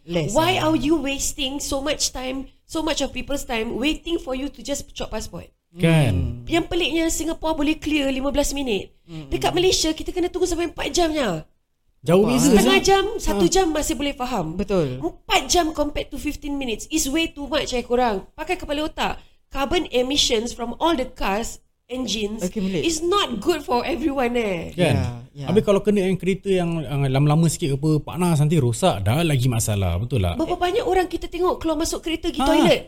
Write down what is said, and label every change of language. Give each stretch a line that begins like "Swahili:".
English: Why are you wasting so much time, so much of people's time waiting for you to just chop passport?
Malay: Kan. Yang peliknya Singapore boleh clear 15 minit. Dekat Malaysia kita kena tunggu sampai 4 jamnya. Jauh beza. Setengah jam, 1 jam masih boleh faham. Betul. 4 jam
English: compared to 15 minutes is way too much
Malay: eh korang. Pakai kepala otak.
English: Carbon emissions from all the cars engines is not good for everyone eh.
Malay: Kan. Habis kalau kena yang kereta yang lama-lama sikit ke apa, panas nanti rosak, dah lagi masalah. Betul lah. Berapa banyak orang kita tengok keluar masuk kereta pergi toilet.